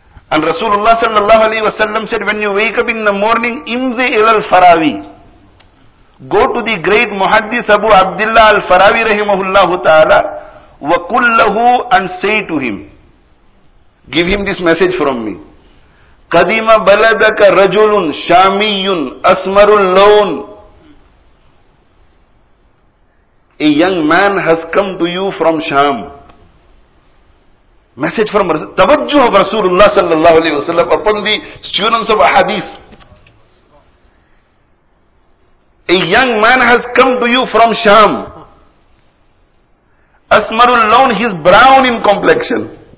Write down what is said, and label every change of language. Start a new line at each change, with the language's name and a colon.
English: And Rasulullah sallallahu alayhi wa sallam said, when you wake up in the morning,
Arabic: imzi ila al-Farawi.
English: Go to the great muhaddis Abu Abdullah al-Farawi rahimahullahu ta'ala.
Arabic: Wa kullahu
English: and say to him. Give him this message from me.
Arabic: قدم بلدك رجل شامي أسمر اللون.
English: A young man has come to you from Sham. Message from Tawajjuh of Rasulullah sallallahu alayhi wa sallam upon the students of Ahadith. A young man has come to you from Sham.
Arabic: Asmarul Lawn,
English: he is brown in complexion.